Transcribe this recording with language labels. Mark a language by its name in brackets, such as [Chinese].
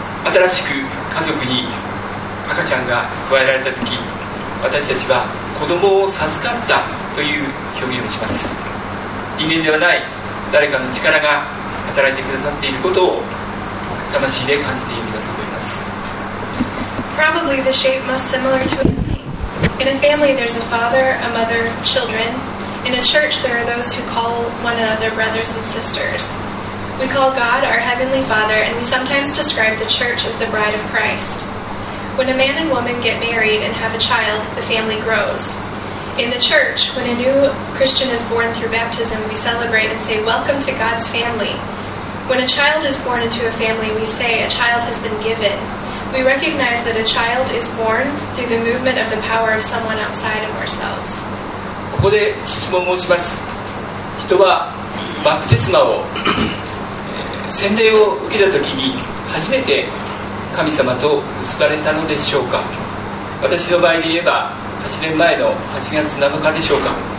[Japanese] 新しく家族に赤ちゃんが加えられたとき、私たちは子供を授かったという表現をします。人間ではない誰かの力が働いてくださっていることを魂で感じているんだと思います。 [English] probably the shape most similar to a family. In a family, there's a father, a mother, children. In a church, there are those who call one another brothers and sisters. We call God our Heavenly Father, and we sometimes describe the church as the bride of Christ. When a man and woman get married and have a child, the family grows. In the church, when a new Christian is born through baptism, we celebrate and say, "Welcome to God's family." When a child is born into a family, we say, "A child has been given." We recognize that a child is born through the movement of the power of someone outside of ourselves. [Japanese] ここで質問をします。人はバプテスマを、洗礼を受けたときに初めて神様と結ばれたのでしょうか。私の場合で言えば8年前の8月7日でしょうか。